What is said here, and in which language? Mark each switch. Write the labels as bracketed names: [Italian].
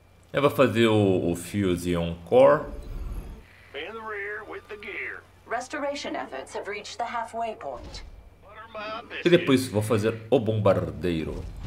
[Portuguese] Eu vou fazer o Fusion Core. [English] In the rear with the gear. Restoration efforts have reached the halfway point. [Portuguese] E depois vou fazer o bombardeiro.